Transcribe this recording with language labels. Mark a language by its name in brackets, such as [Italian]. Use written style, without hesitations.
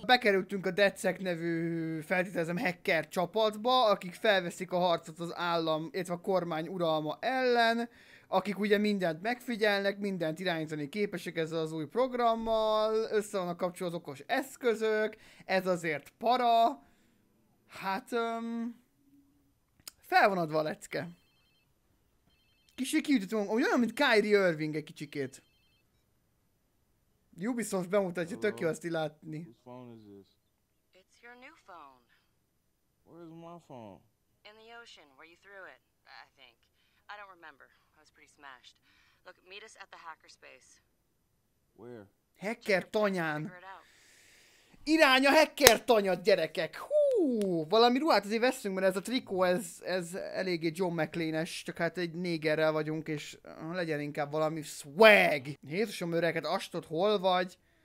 [Hungarian] Bekerültünk a DedSec nevű feltételezem hacker csapatba, akik felveszik a harcot az állam, illetve a kormány uralma ellen, akik ugye mindent megfigyelnek, mindent irányítani képesek ezzel az új programmal, össze vannak kapcsolva az okos eszközök, ez azért para. Hát, Fel van adva a lecke. Kicsit kiütöttem magam, olyan, mint Kyrie Irving egy kicsikét. Ubisoft bemutatja, tök jó azt így látni. [English] Whose phone is this? It's your new phone. Where is my phone? In the ocean, where you threw it, I think. I don't remember. I was pretty smashed. Look, meet us at the hackerspace. Where? [Hungarian] Hacker tanyán. Irány a hacker tanyat, gyerekek! Hú, valami ruhát azért veszünk, mert ez a trikó, ez eléggé John McClane-es, csak hát egy négerrel vagyunk, és legyen inkább valami swag! Jézusom öreket, Astot, hol vagy?